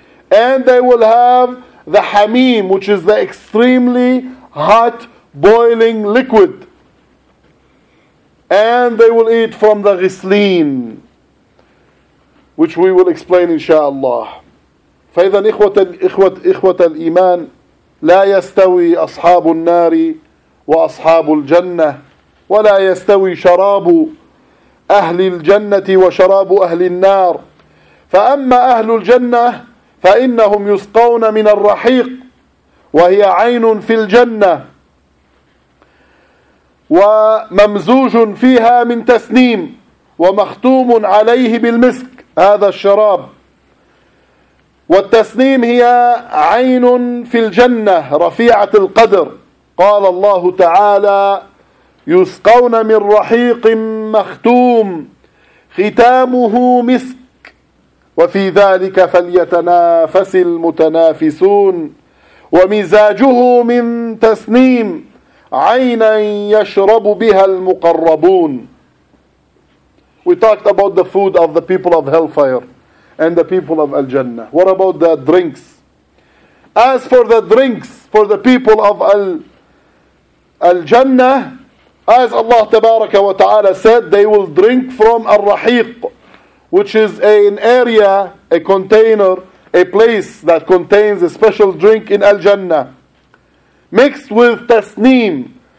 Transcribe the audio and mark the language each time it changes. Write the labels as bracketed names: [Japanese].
[English] And they will have the حميم, which is the extremely hot boiling liquid. And they will eat from the ghislin, which we will explain insha'Allah. [Arabic] فإذا إخوة الإيمان لا يستوي أصحاب النار وأصحاب الجنة ولا يستوي شراب أهل الجنة وشراب أهل النار. فأما أهل الجنة فإنهم يسقون من الرحيق وهي عين في الجنة وممزوج فيها من تسنيم ومختوم عليه بالمسك هذا الشراب. والتسنيم هي عين في الجنة رفيعة القدر. قال الله تعالى يسقون من رحيق مختوم ختامه مسك وفي ذلك فليتنافس المتنافسون. ومزاجه من تسنيم عينا يشرب بها المقربون. [English] We talked about the food of the people of hellfire and the people of al-Jannah. What about the drinks? As for the drinks for the people of al-Jannah, as Allah Tabaraka wa Ta'ala said, they will drink from al-Rahiq, which is an area, a container, a place that contains a special drink in al-Jannah, mixed with tasneem.